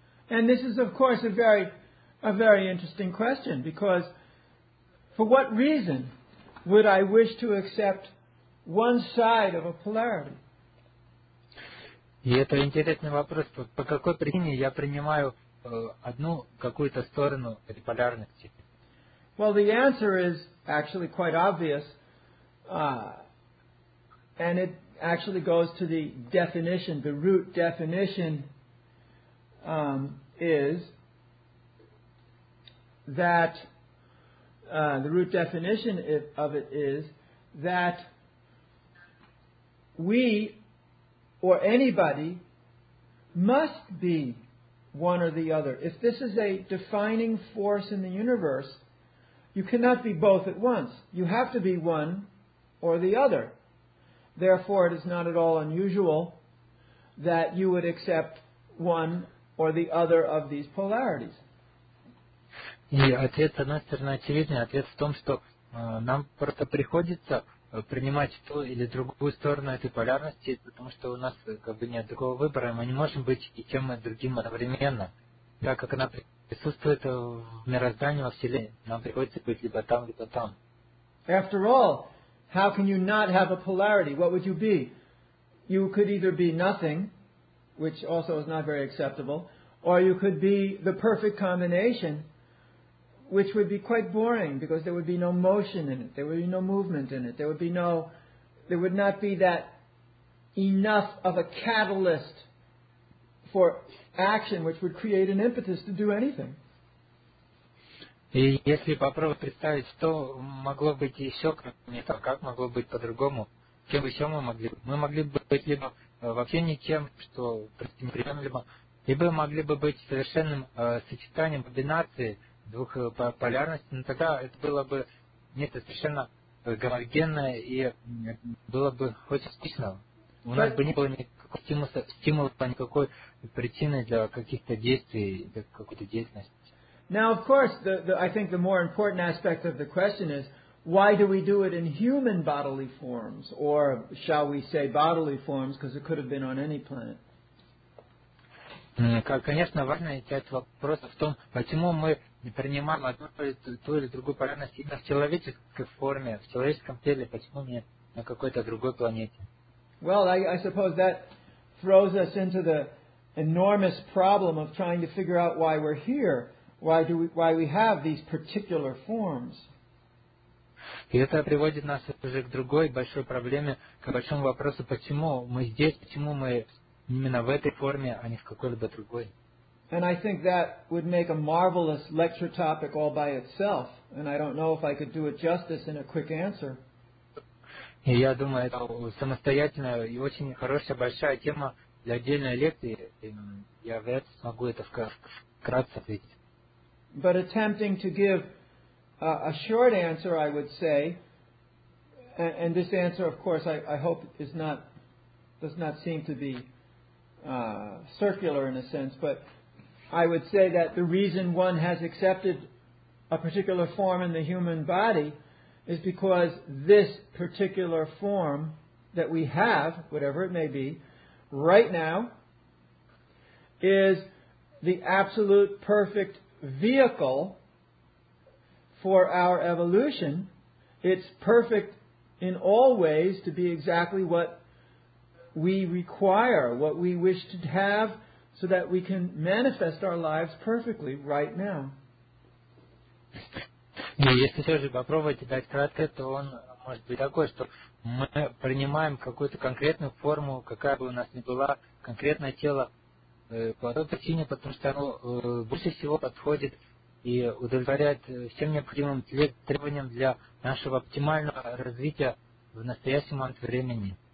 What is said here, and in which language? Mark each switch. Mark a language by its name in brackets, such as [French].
[English] And this is, of course, a very interesting question, because for what reason would I wish to accept one side of a polarity? [Russian] И это интересный вопрос. По какой причине я принимаю одну какую-то сторону этой полярности? [English] Well, the answer is actually quite obvious, and it actually goes to the definition. The root definition is that the root definition of it is that we or anybody must be one or the other. If this is a defining force in the universe, you cannot be both at once. You have to be one or the other. Therefore, it is not at all unusual that you would accept one or the other of these polarities. [Russian] И ответ, с одной стороны, очевиден. Ответ в том, что нам просто приходится принимать ту или другую сторону этой полярности, потому что у нас как бы нет другого выбора. Мы не можем быть и тем, и другим одновременно. Так как она присутствует в мироздании, во Вселенной, нам приходится быть либо там, либо там. [English] After all, how can you not have a polarity? What would you be? You could either be nothing, which also is not very acceptable, or you could be the perfect combination, which would be quite boring because there would be no motion in it, there would be no movement in it, there would not be that enough of a catalyst for action which would create an impetus to do anything. [Russian] И если попробовать представить, что могло быть еще, кроме того, как могло быть по-другому, чем еще мы могли быть? Мы могли бы быть либо вообще никем, что неприемлемо, либо могли бы быть совершенным сочетанием комбинации двух полярностей, но тогда это было бы нечто совершенно гомогенное и было бы очень скучно. У нас бы не было никакого стимула, никакой причины для каких-то действий, для какой-то деятельности. [English] Now, of course, I think the more important aspect of the question is, why do we do it in human bodily forms, or shall we say bodily forms, because it could have been on any planet. [Russian] Конечно, важная часть вопроса в том, почему мы принимаем ту или другую полярность именно в человеческой форме, в человеческом теле, почему не на какой-то другой планете. [English] Well, I suppose that throws us into the enormous problem of trying to figure out why we're here. Why we have these particular forms? [Russian] И это приводит нас уже к другой большой проблеме, к большому вопросу, почему мы здесь, почему мы именно в этой форме, а не в какой-либо другой. [English] And I think that would make a marvelous lecture topic all by itself, and I don't know if I could do it justice in a quick answer. [Russian] И я думаю, это самостоятельная и очень хорошая большая тема для отдельной лекции. Я вряд ли смогу это вкратце ответить. [English] But attempting to give a short answer, I would say, and this answer, of course, I hope does not seem to be circular in a sense, but I would say that the reason one has accepted a particular form in the human body is because this particular form that we have, whatever it may be, right now, is the absolute perfect vehicle for our evolution. It's perfect in all ways to be exactly what we require, what we wish to have, so that we can manifest our lives perfectly right now. [Russian] Если все же попробовать дать кратко, то он может быть такой, что мы принимаем какую-то конкретную форму, какая бы у нас ни была, конкретное тело, по той причине, потому что оно больше всего подходит и удовлетворяет всем необходимым требованиям для нашего оптимального развития в настоящий момент времени.